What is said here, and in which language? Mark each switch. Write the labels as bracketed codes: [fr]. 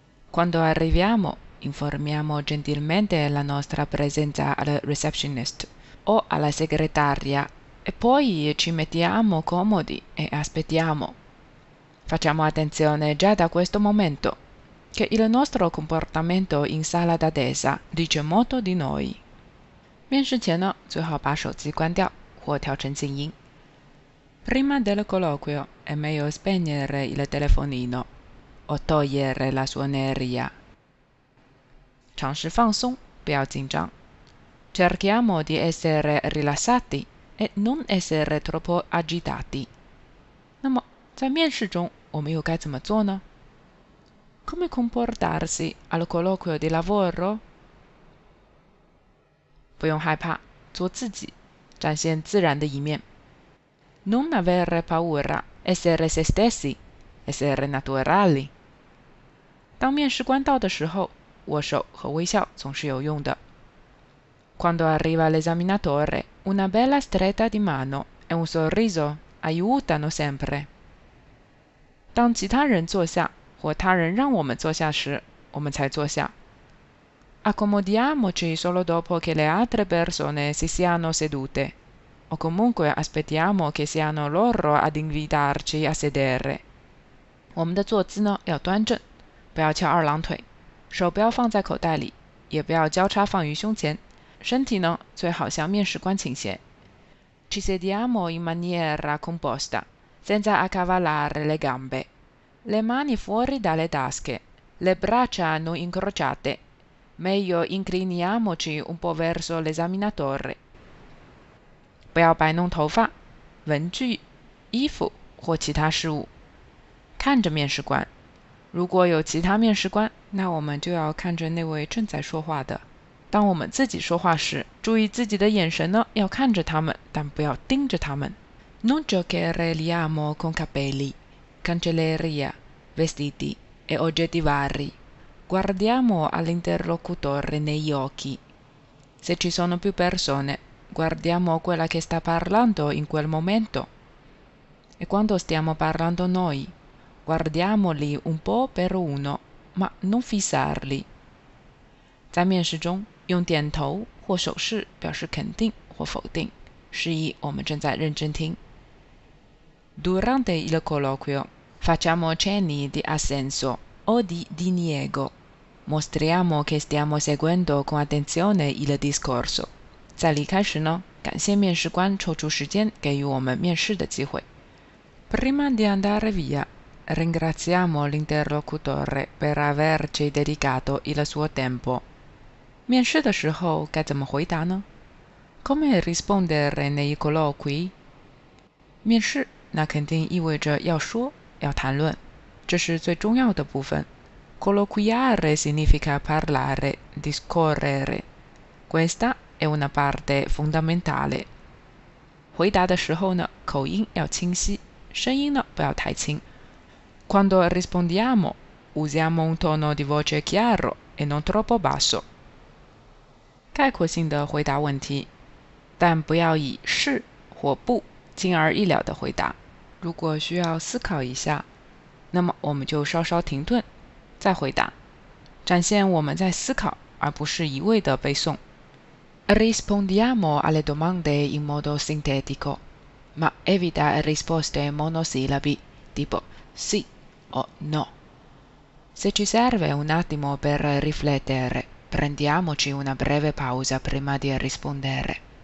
[it] Quando arriviamo, informiamo gentilmente la nostra presenza al receptionist o alla segretaria e poi ci mettiamo comodi e aspettiamo. Facciamo attenzione già da questo momento che il nostro comportamento in sala d'attesa dice molto di noi. [zh] 面试前呢，最好把手机关掉或调成静音。 [it] Prima del colloquio è meglio spegnere il telefonino o togliere la suoneria. [zh] 尝试放松，不要紧张。 [it] Cerchiamo di essere rilassati e non essere troppo agitati. [zh] 那么，在面试中，我们又该怎么做呢？ [it] Come comportarsi al colloquio di lavoro? [zh] 不用害怕，做自己，展现自然的一面。 [it] Non avere paura, essere se stessi, essere naturali。 [zh] 当面试官到的时候，握手和微笑总是有用的。 [it] Quando arriva l'esaminatore, una bella stretta di mano e un sorriso aiutano sempre。 [zh] 当其他人坐下，或他人让我们坐下时，我们才坐下。 [it] Accomodiamoci solo dopo che le altre persone si siano sedute, o comunque aspettiamo che siano loro ad invitarci a sedere. [zh] 我们的坐姿呢要端正，不要翘二郎腿，手不要放在口袋里，也不要交叉放于胸前，身体呢最好向面试官倾斜。 [it] Ci sediamo in maniera composta, senza accavallare le gambe, le mani fuori dalle tasche, le braccia non incrociate. Meglio incliniamoci un po' verso l'esaminatore. [zh] 不要摆弄头发、文具、衣服或其他事物。看着面试官。如果有其他面试官，那我们就要看着那位正在说话的。当我们自己说话时，注意自己的眼神呢，要看着他们，但不要盯着他们。 [it] Non giocare li amo con capelli, cancelleria, vestiti e oggetti vari. Guardiamo all'interlocutore negli occhi. Se ci sono più persone, guardiamo quella che sta parlando in quel momento. E quando stiamo parlando noi, guardiamoli un po' per uno, ma non fissarli. [zh] 在面试中，用点头或手势表示肯定或否定，示意我们正在认真听。 [it] Durante il colloquio, facciamo cenni di assenso. O di diniego. Mostriamo che stiamo seguendo con attenzione il discorso. [zh] 在离开时呢，感谢面试官抽出时间给予我们面试的机会。 [it] Prima di andare via, ringraziamo l'interlocutore per averci dedicato il suo tempo. [zh] 面试的时候该怎么回答呢？ [it] Come rispondere nei colloqui? [zh] 面试，那肯定意味着要说，要谈论。这是最重要的部分。 [it] Colloquiare significa parlare, discorrere. Questa è una parte fondamentale. [zh] 回答的时候呢，口音要清晰，声音呢不要太轻。 [it] Quando rispondiamo, usiamo un tono di voce chiaro e non troppo basso. [zh] 概括性的回答问题，但不要以是或不轻而易了的回答。如果需要思考一下。那么我们就稍稍停顿，再回答，展现我们在思考，而不是一味的背诵。 [it] Rispondiamo alle domande in modo sintetico, ma evita risposte monosillabi, tipo sì o no. Se ci serve un attimo per riflettere, prendiamoci una breve pausa prima di rispondere.